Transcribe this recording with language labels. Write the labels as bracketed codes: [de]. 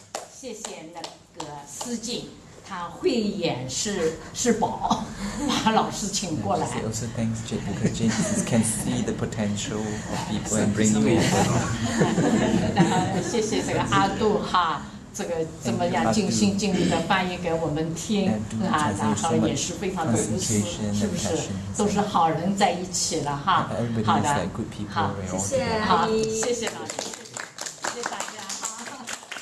[zh] 谢谢那个思静，他慧眼是宝，把老师请过来。 [en] Yeah, also thanks Jade, because Jade can see the potential of people and bring you over. [zh] 谢谢这个阿杜哈。这个这么样尽心尽力的翻译给我们听啊，然后也是非常的无私，是不是？都是好人在一起了哈。好的，好，谢谢，好，谢谢老师，谢谢大家哈。